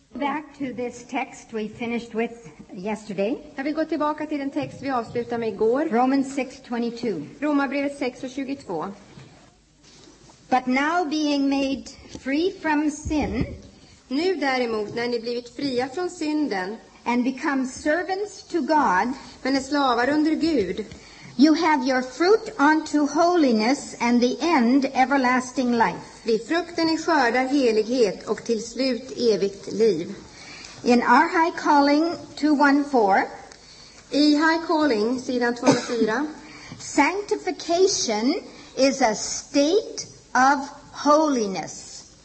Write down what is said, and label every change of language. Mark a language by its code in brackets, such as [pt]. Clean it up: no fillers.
[en] back to this text we finished with yesterday. [sv] Jag vill gå tillbaka till den text vi avslutade med igår. [en] Romans 6:22. [sv] Romarbrevet 6:22. [en] But now being made free from sin, [sv] nu däremot när ni blivit fria från synden, [en] and become servants to God, [sv] men är slavar under Gud, [en] you have your fruit unto holiness and the end everlasting life. [sv] Vid frukten ni skördar helighet och till slut evigt liv. [en] In our high calling 214. [sv] I high calling sidan 204. [en] Sanctification is a state of holiness.